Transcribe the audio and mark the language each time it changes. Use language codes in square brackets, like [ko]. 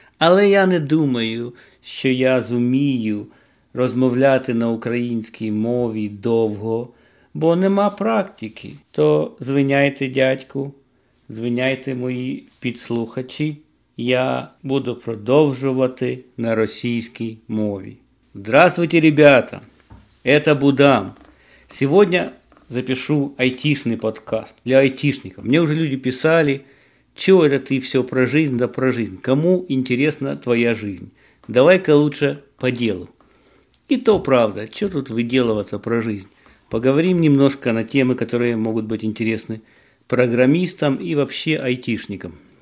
[uk] Але я не думаю, що я зумію розмовляти на українській мові довго, бо нема практики. То звиняйте, дядьку, звиняйте, мої підслухачі, я буду продовжувати на російській мові. [ru] Здравствуйте, ребята, это Будам. Сегодня запишу айтішний подкаст для айтішників. [uk] Мені вже люди писали, [ru] чего это ты все про жизнь да про жизнь? Кому интересна твоя жизнь? Давай-ка лучше по делу. И то правда, что тут выделываться про жизнь? Поговорим немножко на темы, которые могут быть интересны программистам и вообще айтишникам.